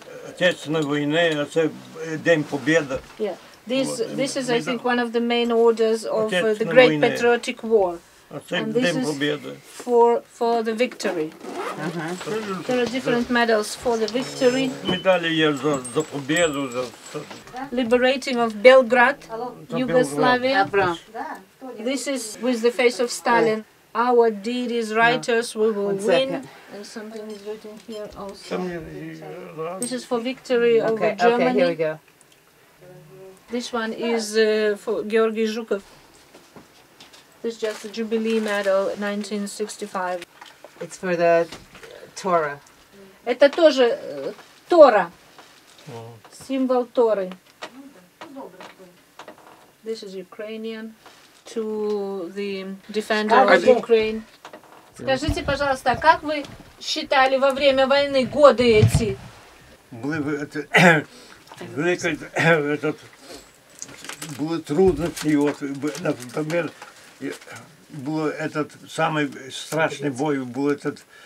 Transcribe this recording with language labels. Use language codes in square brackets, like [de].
[ru] Отечественной войны, это День Победы. [en] Yeah. This is, I think, one of the main orders of the Great Patriotic War. And this is for the victory. Uh-huh. There are different medals for the victory. [ru] Медали є за победу, за [en] liberating of Belgrade, Yugoslavia. This is with the face of Stalin. Our deed is righteous. We will win. And something is written here also. This is for victory over Germany. Okay, here we go. This one is for Georgi Zhukov. This is just the Jubilee Medal, 1965. It's for the Torah. [ru] Это тоже Тора. Символ Торы. [en] This is Ukrainian to the defender of Ukraine. [ru] Скажите, пожалуйста, как вы считали во время войны годы эти? Были бы это великое, этот было трудно с него, например. Был этот самый страшный бой, был этот